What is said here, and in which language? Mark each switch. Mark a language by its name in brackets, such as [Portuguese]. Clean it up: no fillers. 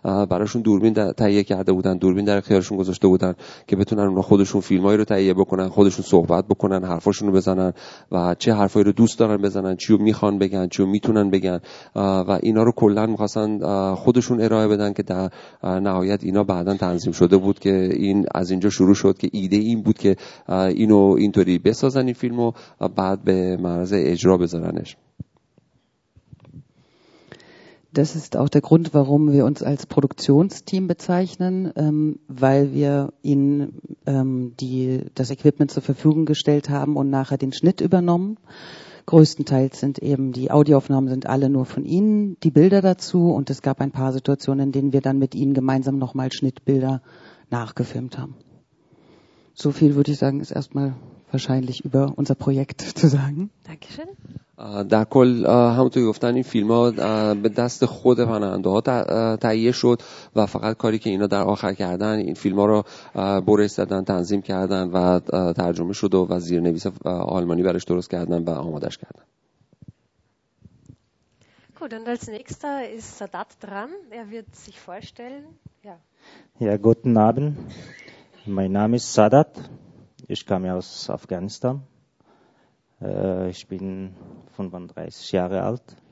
[Persian] براشون دوربین تهیه کرده بودن، دوربین در اختیارشون گذاشته بودن که بتونن اونا خودشون فیلمایی رو تهیه بکنن، خودشون صحبت بکنن، حرفاشون رو بزنن و چه حرفایی رو دوست دارن بزنن، چی رو میخوان بگن، چی رو میتونن بگن و اینا رو کلن میخواستن خودشون ارائه بدن که در نهایت اینا بعدن تنظیم شده بود که این از اینجا شروع شد که ایده این بود که اینو اینطوری بسازن این فیلمو و بعد به معرض اجرا بذارنش. [German] Das ist auch der Grund, warum wir uns als Produktionsteam bezeichnen, weil wir ihnen das Equipment zur Verfügung gestellt haben und nachher den Schnitt übernommen. Größtenteils sind eben die Audioaufnahmen sind alle nur von ihnen, die Bilder dazu und es gab ein paar Situationen, in denen wir dann mit ihnen gemeinsam nochmal Schnittbilder nachgefilmt haben. So viel würde ich sagen, ist erstmal wahrscheinlich über unser Projekt zu sagen. Dankeschön. [Persian] در کل همونطور گفتن این فیلم ها به دست خود پناهنده ها تهیه شد و فقط کاری که اینا در آخر کردن این فیلم ها رو برش زدن، تنظیم کردن و ترجمه شد و زیرنویس آلمانی برش درست کردن و آمادش کردن. [German] Gut, und als nächster ist Sadat dran. Wird sich vorstellen. Ja, guten Abend. Mein Name ist Sadat. Ich komme aus Afghanistan. Ich bin 35 Jahre alt.